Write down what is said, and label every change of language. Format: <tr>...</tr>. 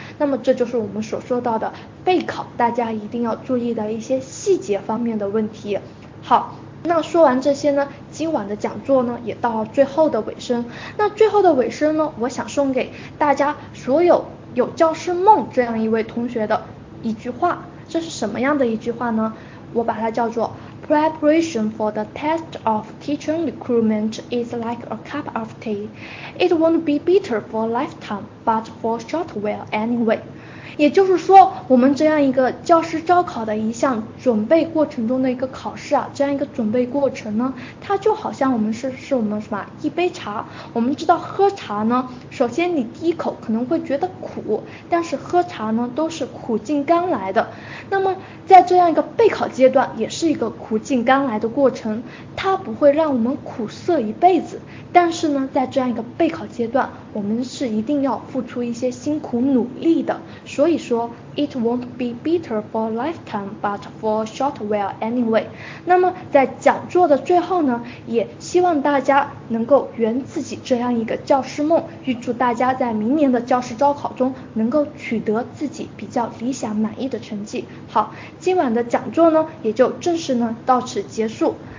<zh>那么这就是我们所说到的备考大家一定要注意的一些细节方面的问题。好，那说完这些呢，今晚的讲座呢也到了最后的尾声。那最后的尾声呢，我想送给大家所有有教师梦这样一位同学的一句话，这是什么样的一句话呢？我把它叫做</zh> <en>Preparation for the test of teaching recruitment is like a cup of tea. It won't be bitter for a lifetime, but for a short while anyway.</en> <zh>也就是说，我们这样一个教师招考的一项准备过程中的一个考试啊，这样一个准备过程呢，它就好像我们是我们什么一杯茶。我们知道喝茶呢，首先你第一口可能会觉得苦，但是喝茶呢都是苦尽甘来的。那么在这样一个备考阶段，也是一个苦尽甘来的过程，它不会让我们苦涩一辈子。但是呢，在这样一个备考阶段，我们是一定要付出一些辛苦努力的。所以说</zh> <en>It won't be bitter for a lifetime, but for a short while anyway.</en> <zh>那么在讲座的最后呢，也希望大家能够圆自己这样一个教师梦，预祝大家在明年的教师招考中能够取得自己比较理想满意的成绩。好，今晚的讲座呢也就正式呢到此结束。</zh>